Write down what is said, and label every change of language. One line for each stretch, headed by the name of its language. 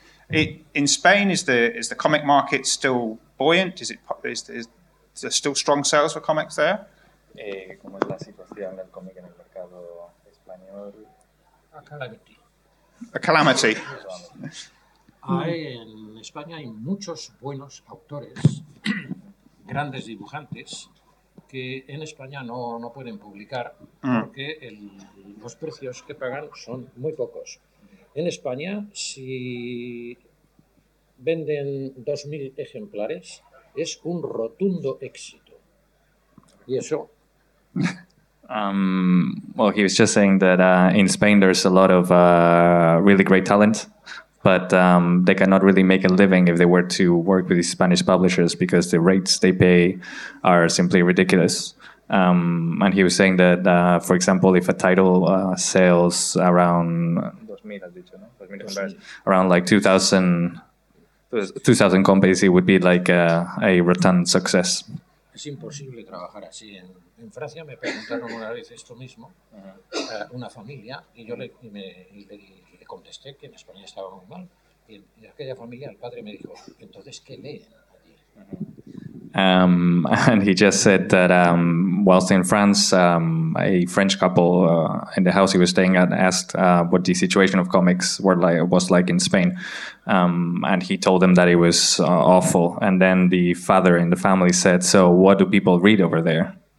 English: In Spain, is the comic market still buoyant? Is there still strong sales for comics there?
Spanish: ¿Cómo es la situación del cómic en el mercado español?
English: A calamity. A calamity.
Spanish: En España hay muchos buenos autores, grandes dibujantes, que en España no pueden publicar porque los precios que pagan son muy pocos. En España, si venden 2.000 ejemplares, es un rotundo éxito. Y eso
English: Well, he was just saying that in Spain there's a lot of really great talent, but they cannot really make a living if they were to work with these Spanish publishers because the rates they pay are simply ridiculous. And he was saying that, for example, if a title sells around like 2,000 copies, it would be like a rotund success.
Spanish: Es imposible trabajar así. En Francia me preguntaron una vez esto mismo, una familia, y yo le contesté que en España estaba muy mal. Y aquella familia, el padre me dijo, entonces, ¿qué leen allí?
English: And he just said that whilst in France, a French couple in the house he was staying at asked what the situation of comics was like in Spain. And he told them that it was awful. And then the father in the family said, so what do people read over there?